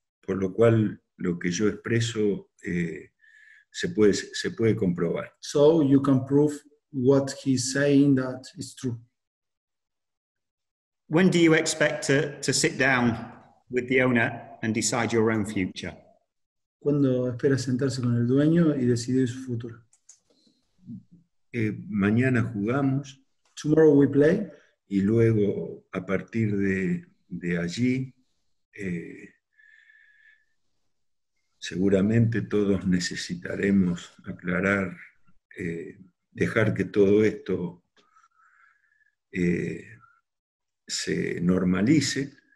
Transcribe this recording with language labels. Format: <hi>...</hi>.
<es>Por lo cual, lo que yo expreso se puede comprobar.</es> <en>So you can prove what he's saying that is true. When do you expect to sit down with the owner and decide your own future?</en> <es>¿Cuándo esperas sentarse con el dueño y decidir su futuro? Mañana jugamos.</es> <en>Tomorrow we play.</en> <es>Y luego, a partir de allí, seguramente todos necesitaremos aclarar, dejar que todo esto se normalice.</es>